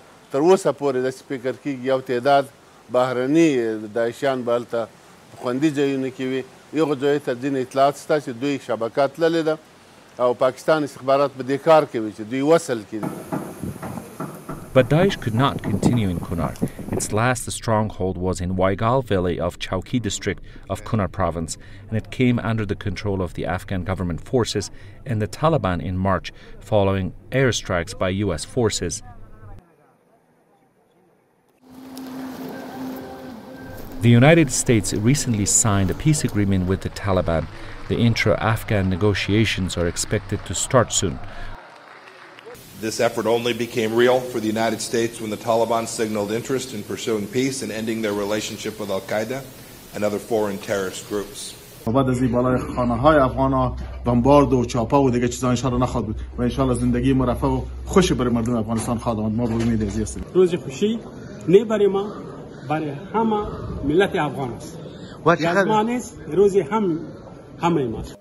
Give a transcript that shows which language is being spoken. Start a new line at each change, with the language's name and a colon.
Pashto: تر اوسه پورې داسې فکر کېږي یو تعداد بهرني داعشیان به هلته خوندي ځایونو کې وي یو ځای ته ځینې اطلاعات شته چې دوی شبکه تللې ده او پاکستان استخبارات په دې کار کوي چې دوی وصل کړي
English: But Daesh could not continue in Kunar. Its last stronghold was in Waigal Valley of Chowki district of Kunar province, and it came under the control of the Afghan government forces and the Taliban in March following airstrikes by U.S. forces. The United States recently signed a peace agreement with the Taliban. The intra-Afghan negotiations are expected to start soon. This effort only became real for the United States when the Taliban signaled interest in pursuing peace and ending their relationship with Al-Qaeda and other foreign terrorist groups.
Persian: بعد از این بالای خانه های افغان ها بمبارد و چاپا و دیگه چیزا انشاءالله نخواهد بود و انشاءالله زندگی ما رفع و خوشی برای مردم افغانستان خواهد آمد. ما به امید ازی هستیم. روز خوشی نه برای ما، برای همه ملت افغان است. یزمان است روز هم همه ما است.